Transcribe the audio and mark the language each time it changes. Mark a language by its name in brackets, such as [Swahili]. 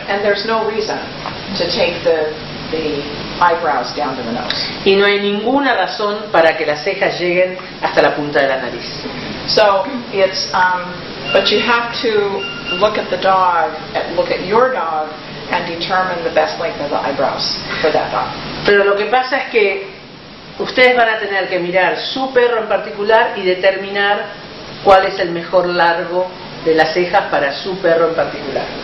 [English] And there's no reason to take the eyebrows down to the nose. [Spanish] Y no hay ninguna razón para que las cejas lleguen hasta la punta de la nariz. [English] So it's but you have to look at the dog, look at your dog, and determine the best length of the eyebrows for that dog. [Spanish] Pero lo que pasa es que ustedes van a tener que mirar su perro en particular y determinar cuál es el mejor largo de las cejas para su perro en particular.